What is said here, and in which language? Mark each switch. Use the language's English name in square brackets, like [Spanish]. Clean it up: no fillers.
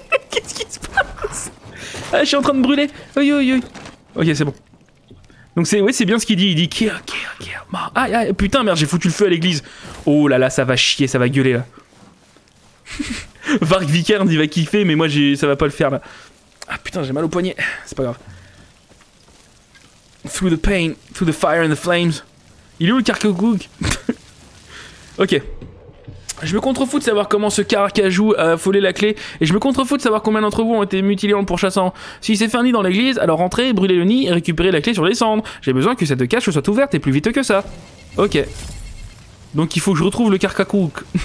[French] Qu'est-ce qui se passe? Ah, je suis en train de brûler. Oui. Ok, c'est bon. Donc, c'est bien ce qu'il dit. Il dit... Ah, putain, merde, j'ai foutu le feu à l'église. Oh là là, ça va chier, ça va gueuler, là. Varg Vikernes, il va kiffer, mais moi, ça va pas le faire, là. Ah, putain, j'ai mal au poignet. C'est pas grave. [English] Through the pain, through the fire and the flames. [French] Il est où, le Karkogug? Ok. Je me contrefous de savoir comment ce carcajou a affolé la clé. Et je me contrefous de savoir combien d'entre vous ont été mutilés en le pourchassant. S'il s'est fait un nid dans l'église, alors rentrez, brûlez le nid et récupérez la clé sur les cendres. J'ai besoin que cette cache soit ouverte et plus vite que ça. Ok. Donc il faut que je retrouve le carcajouk.